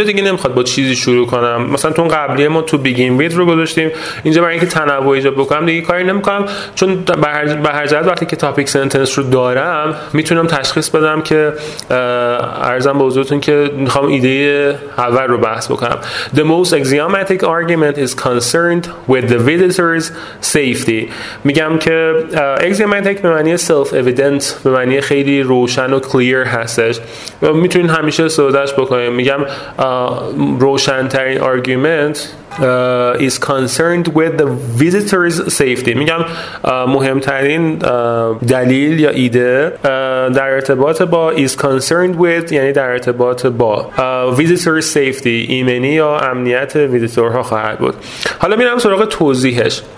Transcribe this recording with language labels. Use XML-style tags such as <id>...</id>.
<fa>اینجا دیگه نمیخواد با چیزی شروع کنم، مثلا تو قبلی ما to begin with رو گذاشتیم، اینجا برای اینکه تنوع ایجاد بکنم دیگه کاری نمیکنم، چون به هر جهت وقتی که topic sentence رو دارم میتونم تشخیص بدم که عرضم به حضورتون که میخوام ایده اول رو بحث بکنم.</fa> <en>The most axiomatic argument is concerned with the visitor's safety.</en> <fa>میگم که axiomatic به معنی self-evident، به معنی خیلی روشن و clear هستش، میتونین همیشه استفادهش بکنیم. میگم روشن‌ترین آرگومنت</fa> <en>is concerned with the visitor's safety.</en> <fa>میگم مهمترین دلیل یا ایده در ارتباط با is concerned with، یعنی در ارتباط با visitor's safety، ایمنی یا امنیت ویزیتورها خواهد بود. حالا میرم سراغ توضیحش.</fa>